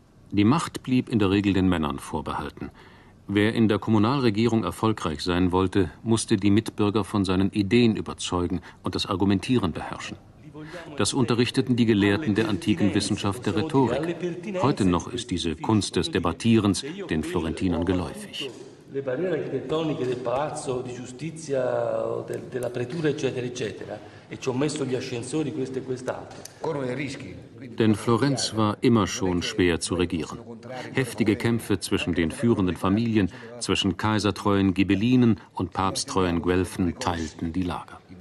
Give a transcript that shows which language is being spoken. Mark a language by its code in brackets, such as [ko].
[de] Die Macht blieb in der Regel den Männern vorbehalten. Wer in der Kommunalregierung erfolgreich sein wollte, musste die Mitbürger von seinen Ideen überzeugen und das Argumentieren beherrschen. Das unterrichteten die Gelehrten der antiken Wissenschaft der Rhetorik. Heute noch ist diese Kunst des Debattierens den Florentinern geläufig. [it] Le barriere architettoniche del palazzo di giustizia o della pretura eccetera eccetera e ci ho messo gli ascensori questo e quest'altro. Corrono dei rischi. [de] Denn Florenz war immer schon schwer zu regieren. Heftige Kämpfe zwischen den führenden Familien, zwischen kaisertreuen Ghibellinen und papsttreuen Guelfen teilten die Lager.